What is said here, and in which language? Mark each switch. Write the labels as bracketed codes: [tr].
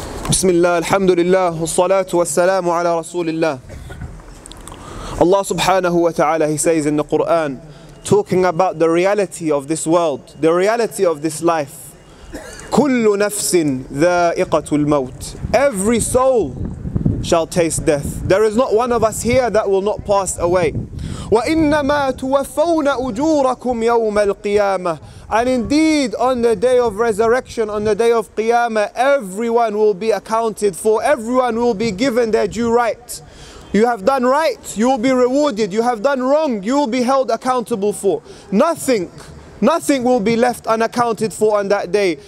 [ar] بسم الله الحمد لله والصلاة والسلام على رسول الله. [en] Allah subhanahu wa ta'ala, he says in the Quran, talking about the reality of this world, the reality of this life. [ar] كل نفس ذائقة الموت. [en] Every soul shall taste death. There is not one of us here that will not pass away. [ar] وإنما توفون أجوركم يوم القيامة. [en] And indeed, on the day of resurrection, on the day of Qiyamah, everyone will be accounted for, everyone will be given their due right. You have done right, you will be rewarded. You have done wrong, you will be held accountable for. Nothing will be left unaccounted for on that day.